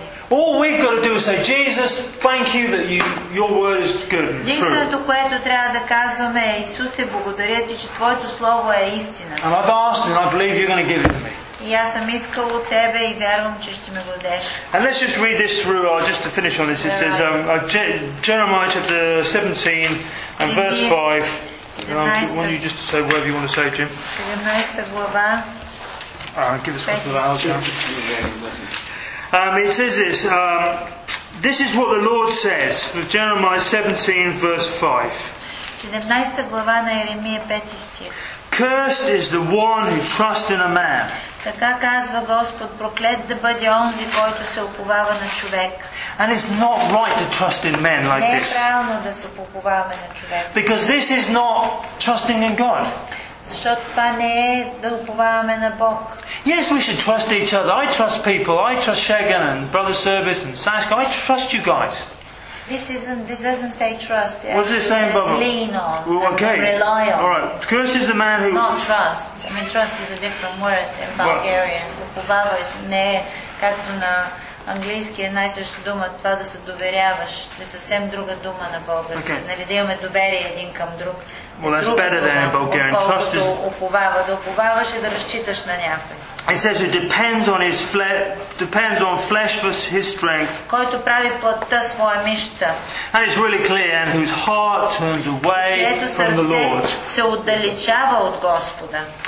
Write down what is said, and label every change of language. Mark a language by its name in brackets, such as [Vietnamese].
[English] All we've got to do is say, Jesus, thank you that your word is good and true. [Bulgarian] Единственото, което трябва да казваме е, Исусе, благодаря ти, че твоето слово е истина. [English] And I've asked and I believe you're going to give it to me. [Bulgarian] И аз съм искал от тебе и вярвам, че ще ме дадеш. [English] And let's just read this through, just to finish on this. It says, Jeremiah chapter 17 and verse 5. And I want you just to say whatever you want to say, Jim. [Bulgarian] 17 глава. [English] Give us a couple of hours, Jim. It says this. This is what the Lord says. Jeremiah 17 verse 5. [Bulgarian] 17 глава на Еремия 5 стих. [English] Cursed is the one who trusts in a man. [Bulgarian] Така казва Господ, проклет да бъде онзи, който се уповава на човек. [English] And it's not right to trust in men like this. [Bulgarian] Не е правилно да се уповаваме на човек. [English] Because this is not trusting in God. [Bulgarian] Защото това не е да уповаваме на Бог. [English] Yes, we should trust each other. I trust people. I trust Shagan and Brother Service and Sasha. I trust you guys. This doesn't say trust. What's it Lean on. Okay. Rely on. All right. Cursed is the man who. Not trust. I mean, trust is a different word in Bulgarian. [Bulgarian] Upovava is ne, както на английски е най-същата дума, това да се доверяваш. Е съвсем друга дума на български. Нали, да имаме доверие един към друг. [English] Well, that's better than in Bulgarian. Trust is. [Bulgarian] Upovava. Да уповаваш и да разчиташ на някой. [English] It says it depends on his depends on flesh for his strength. [Bulgarian] Който прави плътта своя мишца. [English] And it's really clear, and whose heart turns away from the Lord. [Bulgarian] Се отдалечава от Господа.